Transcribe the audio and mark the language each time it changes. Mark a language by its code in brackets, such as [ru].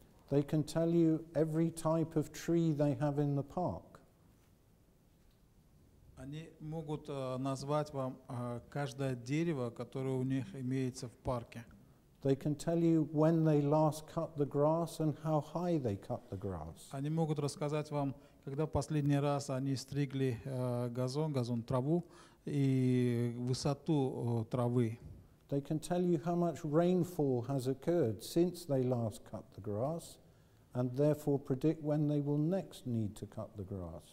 [en] They can tell you every type of tree they have in the park. [ru] Они могут назвать вам каждое дерево, которое у них имеется в парке. [en] They can tell you when they last cut the grass and how high they cut the grass. [ru] Они могут рассказать вам, когда последний раз они стригли газон, траву и высоту травы. [en] They can tell you how much rainfall has occurred since they last cut the grass, and therefore predict when they will next need to cut the grass.